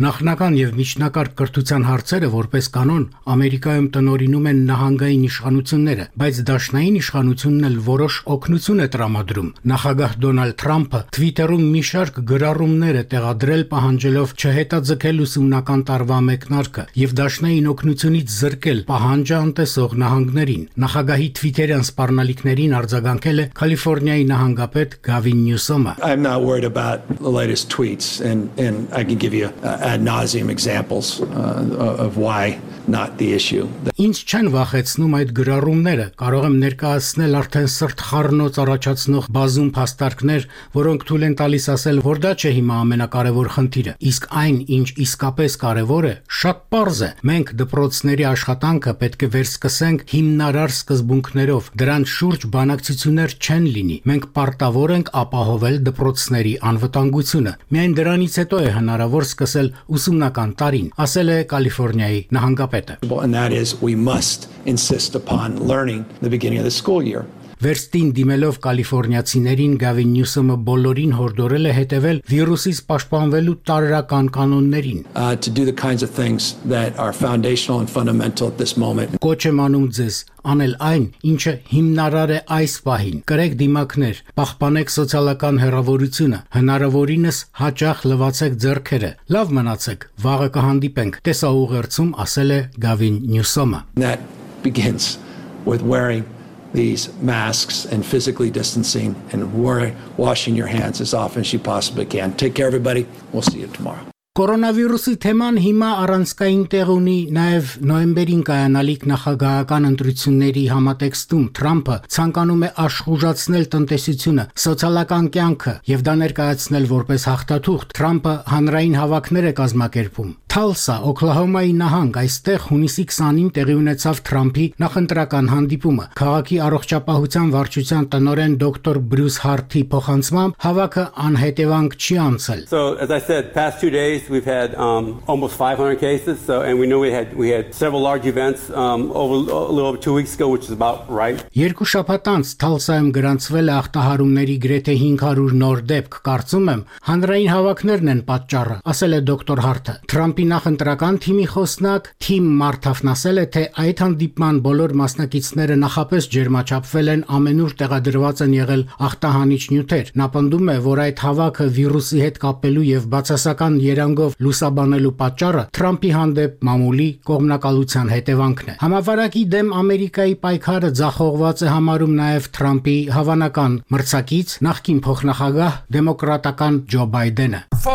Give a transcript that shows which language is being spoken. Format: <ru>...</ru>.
<hy>Նախնական եւ միջնակարգ կրթության հարցերը, որպես կանոն, Ամերիկայում տնորինում են նահանգային իշխանությունները, բայց դաշնային իշխանությունն էլ որոշ օգնություն է տրամադրում։ Նախագահ Դոնալդ Թրամփը Թվիտերում մի շարք գրառումներ է տեղադրել, պահանջելով չհետաձգել ուսումնական տարվա մեկնարկը եւ դաշնային օգնությունից զրկել պահանջը անտեսող նահանգներին։ Նախագահի Թվիտերյան սպառնալիքներին արձագանքել է Կալիֆոռնիայի նահանգապետ Գավին Նյուսոմը.</hy> <en>The latest tweets, and I can give you ad nauseum examples of why not the issue.</en> <hy>Ինչ չեն վախեցնում այդ գրառումները, կարող եմ ներկայացնել արդեն սրտխառնոց առաջացնող բազում փաստարկներ, որոնք թույլ են տալիս ասել, որ դա չէ հիմա ամենակարևոր խնդիրը, իսկ այն, ինչ իսկապես կարևոր է, շատ պարզ է. Մենք դպրոցների աշխատանքը պետք է վերսկսենք հիմնարար սկզբունքներով, դրանց շուրջ բանակցություններ չեն լինի, մենք պարտավոր ենք ապահովել դպրոցների անվտանգությունը, միայն դրանից հետո է հնարավոր սկսել ուսումնական տարին, ասել է Կալիֆոռնիայի նահանգապետը.</hy> <en>We must insist upon learning the beginning of the school year.</en> <hy>Վերստին դիմելով Կալիֆոռնիացիներին, Գավին Նյուսոմը բոլորին հորդորել է հետևել վիրուսից պաշտպանվելու տարրական կանոններին.</hy> <en>To do the kinds of things that are foundational and fundamental at this moment.</en> <hy>Կոչ եմ անում ձեզ անել այն, ինչը հիմնարար է այս պահին. Կրեք դիմակներ, պահպանեք սոցիալական հեռավորությունը, հնարավորինս հաճախ լվացեք ձեռքերը, լավ մնացեք, վաղը կհանդիպենք, տեսաուղերձում ասել է Գավին Նյուսոմը.</hy> <en>That begins with wearing these masks and physically distancing and washing your hands as often as you possibly can. Take care, everybody. We'll see you tomorrow.</en> <hy>Կորոնավիրուսի թեման հիմա առանցքային տեղ ունի նաև նոյեմբերին կայանալիք նախագահական ընտրությունների համատեքստում։ Թրամփը ցանկանում է աշխուժացնել տնտեսությունը, սոցիալական կյանքը եւ դա ներկայացնել որպես հաղթաթուղթ։ Թրամփը հանրային հավաքներ է կազմակերպում։ Թալսա, Օկլահոմայի նահանգ, այստեղ հունիսի 20-ին տեղի ունեցավ Թրամփի նախընտրական հանդիպումը։ Քաղաքի առողջապահության վարչության տնօրեն դոկտոր Բրյուս Հարթի փոխանցմամբ հավաքը անհետևանք չի անցել։</hy> <en>So as I said, past 2 days we've had almost 500 cases, so and we know we had several large events over a little over 2 weeks ago, which is about right.</en> <hy>Երկու շաբաթ անց Թալսայում գրանցվել է ախտահարումների գրեթե 500 նոր դեպք, կարծում եմ հանրային հավաքներն են պատճառը, ասել է դոկտոր Հարթը։ Թրամփի նախընտրական թիմի խոսնակ թիմ մարտավնասել է, թե այդ հանդիպման բոլոր մասնակիցները նախապես ջերմաչափվել են, ամենուր տեղադրված են եղել ախտահանիչ նյութեր։ Նա պնդում է, որ այդ հավաքը վիրուսի հետ կապելու եւ բացասական երանգով լուսաբանելու պատճառը Թրամփի հանդեպ մամուլի կողմնակալության հետևանքն է։ Համավարակի դեմ Ամերիկայի պայքարը ձախողված է համարում նաեւ Թրամփի հավանական մրցակից նախկին փոխնախագահ դեմոկրատական Ջո Բայդենը։</hy>